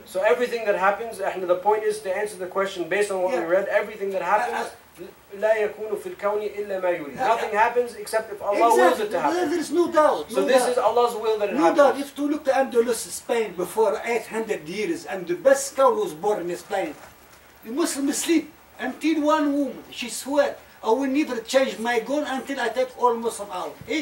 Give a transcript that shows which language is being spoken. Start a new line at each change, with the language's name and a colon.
English: So everything that happens, the point is to answer the question based on what we read, everything that happens.
Arabic: لا يكون في الكون إلا ما يريد.
English: Nothing happens except if Allah wills it to happen. There is no doubt. This is Allah's will that it happens. No doubt. If you look to Andalus, Spain, before 800 years, and the best cow was born in Spain, the Muslim sleep until one woman, she swear, I will never change my gun until I take all Muslim out.